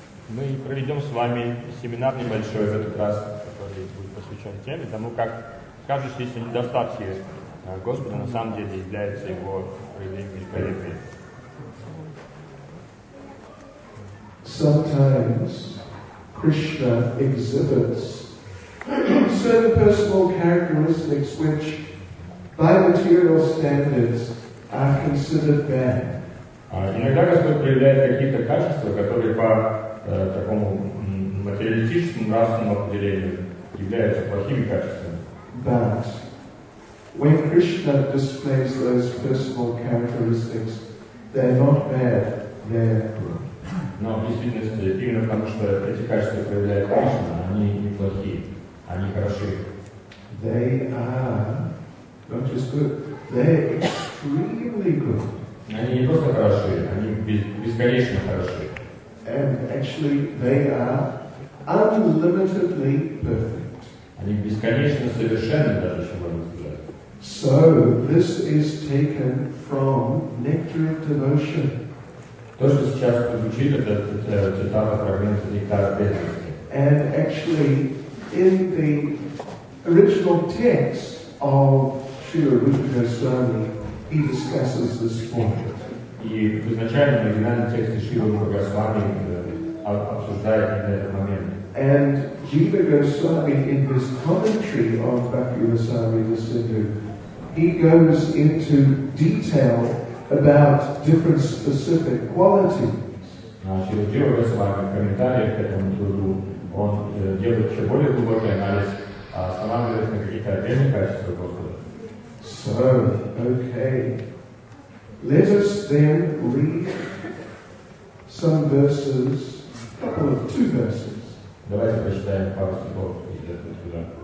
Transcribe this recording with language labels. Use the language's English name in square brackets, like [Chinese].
[Russian] Мы проведем с вами семинар небольшой в этот раз, который будет посвящен теме тому, как кажущиеся недостатки Господа на самом деле являются Его проявлением великолепия. [English] Sometimes Krishna exhibits certain personal characteristics which by material standards are considered bad. [Russian] Иногда Господь проявляет какие-то качества, которые по такому материалистическому нравственному определению являются плохими качествами. [English] But when Krishna displays those personal characteristics, they're not bad, they're good. [Russian] Но в действительности, именно потому что эти качества проявляет Кришна, они не плохие, они хороши. [English] They are not just good, they're extremely good. [Russian] Они не просто хороши, они бесконечно хороши. [English] And actually, they are unlimitedly perfect. [Russian] Они бесконечно совершенны, даже еще можно сказать. [English] So this is taken from Nectar of Devotion. [Russian] То, что сейчас прозвучит, это цитата фрагмент Нектара Преданности. [English] And actually, in the original text of Sri Rupa Goswami, he discusses this point. [Russian] И в изначальном оригинальном тексте Шрила Рупа Госвами обсуждает именно этот момент. [English] And Jiva Goswami in his commentary on Bhakti Rasamrita Sindhu, he goes into detail about different specific qualities. [Russian] Шрила Рупа Госвами в комментариях к этому труду, он делает еще более глубокий анализ, останавливаясь на каких-то отдельных качествах Господа. [English] So, okay. Let us then read some verses, two verses. [Russian] Давайте прочитаем пару стихов из этого труда.